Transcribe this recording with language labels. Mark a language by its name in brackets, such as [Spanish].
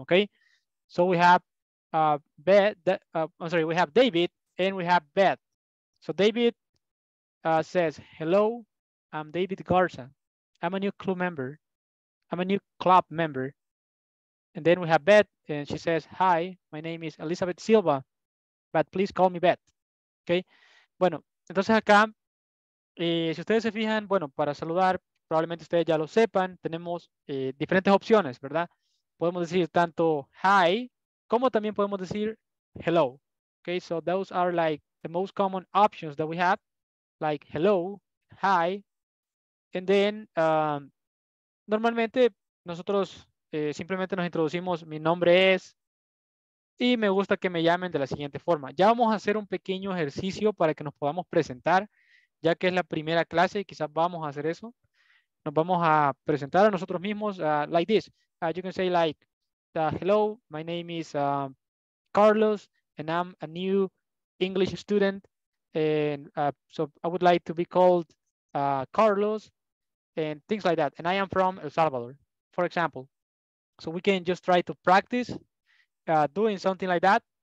[English] Okay, so we have David, and we have Beth. So David says, "Hello, I'm David Garza. I'm a new club member." And then we have Beth, and she says, "Hi, my name is Elizabeth Silva, but please call me Beth." Okay. [Spanish] Bueno, entonces acá, si ustedes se fijan, bueno, para saludar, probablemente ustedes ya lo sepan, tenemos diferentes opciones, ¿verdad? Podemos decir tanto hi, como también podemos decir hello. [English] Okay, so those are like the most common options that we have, like hello, hi, and then [Spanish] normalmente nosotros simplemente nos introducimos, mi nombre es, y me gusta que me llamen de la siguiente forma. Ya vamos a hacer un pequeño ejercicio para que nos podamos presentar, ya que es la primera clase y quizás vamos a hacer eso. Nos vamos a presentar a nosotros mismos [English] like this. You can say like, hello, my name is Carlos, and I'm a new English student. And so I would like to be called Carlos, and things like that. And I am from El Salvador, for example. So we can just try to practice doing something like that.